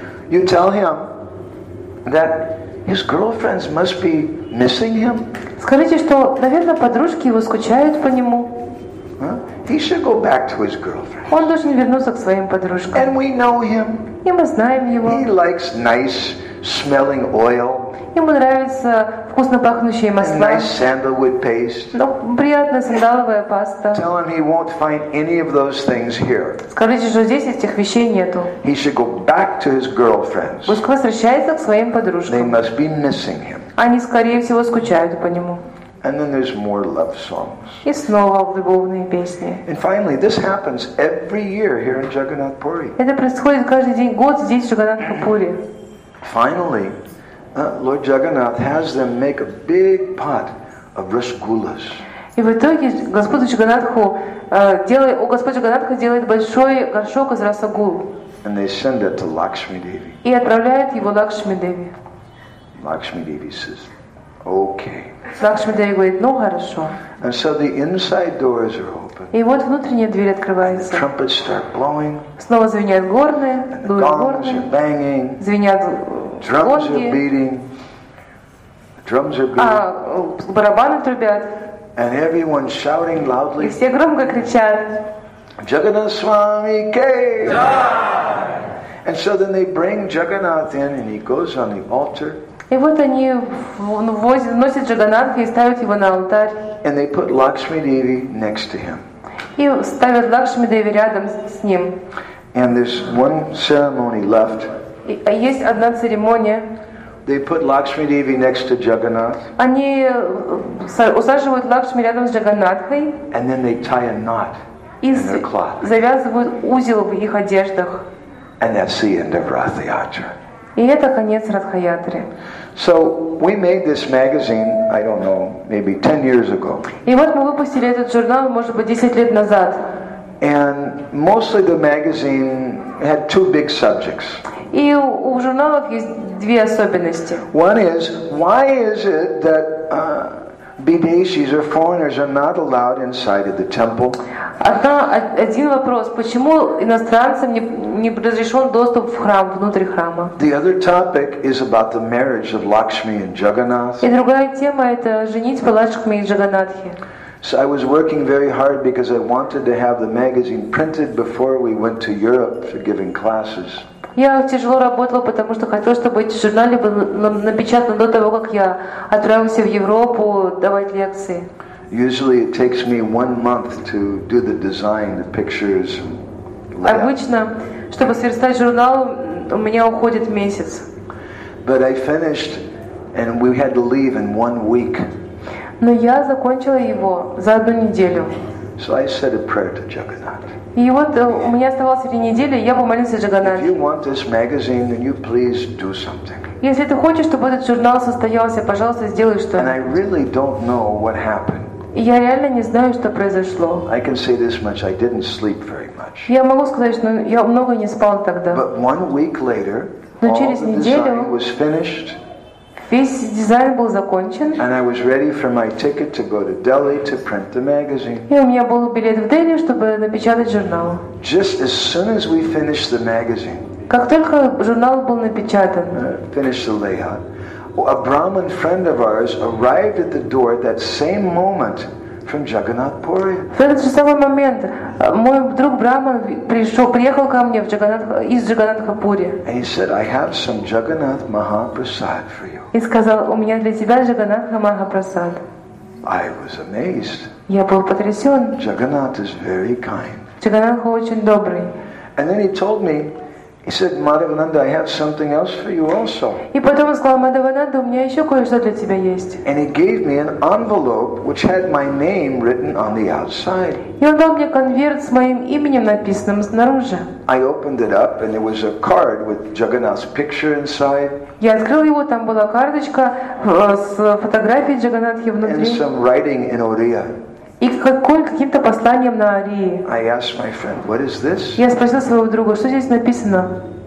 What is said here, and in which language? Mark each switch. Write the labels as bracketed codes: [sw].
[en] You tell him that his girlfriends must be missing him. [ru] Скажите, что, наверное, подружки его скучают по нему. [en] He should go back to his girlfriends. [ru] Он должен вернуться к своим подружкам. [en] And we know him. [ru] И мы знаем его. [en] He likes nice smelling oil. [ru] Ему нравится вкусно пахнущие масла. [en] Nice sandalwood paste. [ru] Ну, приятная сандаловая паста. [en] Tell him he won't find any of those things here. [ru] Скажите, что здесь этих вещей нету. [en] He should go back to his girlfriends. [ru] Пусть возвращается к своим подружкам. [en] They must be missing him. [ru] Они, скорее всего, скучают по нему. [en] And then there's more love songs. [ru] И снова любовные песни. [en] And finally, this happens every year here in Jagannath Puri. [ru] Это происходит каждый день, год здесь, в Джагнатха Пури. [en] Finally, Lord Jagannath has them make a big pot of rasgullas. [ru] И в итоге Господь Джагнатху делает, у Господа Джагнатха делает большой горшок из расагул. [en] And they send it to Lakshmi Devi. [ru] И отправляет его Лакшми Деви. [en] Lakshmi Devi says, "Okay." [ru] Лакшми Деви говорит, ну хорошо. [en] And so the inside doors are open. [ru] И вот внутренняя дверь открывается. [en] And the trumpets start blowing. [ru] Снова звенят горны, дуют горны. [en] And the gongs are banging. [ru] Звенят. [en] Drums are beating. Drums are beating. [ru] Барабаны трубят. [en] And everyone shouting loudly. [ru] И все громко кричат. [hi] Jagannath Swami ke jai. [en] And so then they bring Jagannath in, and he goes on the altar. [ru] И вот они носят Джаганнатха и ставят его на алтарь. [en] And they put Lakshmi Devi next to him. [ru] И ставят Лакшми Деви рядом с ним. [en] And there's one ceremony left. [ru] А есть одна церемония. [en] They put Lakshmi Devi next to Jagannath. [ru] Они усаживают Лакшми рядом с Джаганнатхой. [en] And then they tie a knot in their cloth. [ru] И завязывают узел в их одеждах. [en] And that's the end of Ratha Yatra. [ru] И это конец Радхаятры. [en] So we made this magazine, I don't know, maybe 10 years ago. [ru] И вот мы выпустили этот журнал, может быть, 10 лет назад. [en] And mostly the magazine had two big subjects. [ru] И у журналов есть две особенности. [en] One is, why is it that Bidesis or foreigners are not allowed inside of the temple? [ru] Один вопрос: почему иностранцам не разрешен доступ в храм, внутрь храма? [en] The other topic is about the marriage of Lakshmi and Jagannath. [ru] И другая тема — это женитьба Лакшми и Джаганатхи. [en] So I was working very hard because I wanted to have the magazine printed before we went to Europe for giving classes. [ru] Я тяжело работала, потому что хотела, чтобы эти журналы были напечатаны до того, как я отправился в Европу давать лекции. [en] Usually it takes me 1 month to do the design, the pictures. [ru] Обычно, чтобы сверстать журнал, у меня уходит месяц. [en] But I finished, and we had to leave in 1 week. [ru] Но я закончила его за одну неделю. [en] So I said a prayer to Jagannath. [ru] И вот у меня оставалось 3 недели, я помолился Джаганнатхе. [en] If you want this magazine, then you please do something. [ru] Если ты хочешь, чтобы этот журнал состоялся, пожалуйста, сделай что-то. [en] And I really don't know what happened. [ru] И я реально не знаю, что произошло. [en] I can say this much: I didn't sleep very much. [ru] Я могу сказать, что я много не спал тогда. [en] But 1 week later, [ru] но через неделю, [en] all the design was finished. [ru] Весь дизайн был закончен. [en] And I was ready for my ticket to go to Delhi to print the magazine. [ru] И у меня был билет в Дели, чтобы напечатать журнал. [en] Just as soon as we finished the magazine. [ru] Как только журнал был напечатан. [en] Finished the layout. A Brahmin friend of ours arrived at the door at that same moment from Jagannath Puri. [ru] В этот же самый момент мой друг Брахман приехал ко мне из Джаганнатхапури. [en] And he said, I have some Jagannath Mahaprasad for you. [ru] И сказал: у меня для тебя Джаганнатха Махапрасад. [en] I was amazed. [ru] Я был потрясен. [en] Jagannath is very kind. [ru] Джаганнатха очень добрый. [en] And then he told me, he said, Madhavananda, I have something else for you also. [ru] И потом он сказал: Мадхавананда, у меня еще кое-что для тебя есть. [en] And he gave me an envelope which had my name written on the outside. [ru] И он дал мне конверт с моим именем написанным снаружи. [en] I opened it up and there was a card with Jagannath's picture inside. [ru] Я открыл его, там была карточка с фотографией Джаганнатхи внутри. [en] And some writing in Oriya. [ru] И каким-то посланием на арии. [en] I asked my friend, what is this? [ru] Я спросил своего друга, что здесь написано.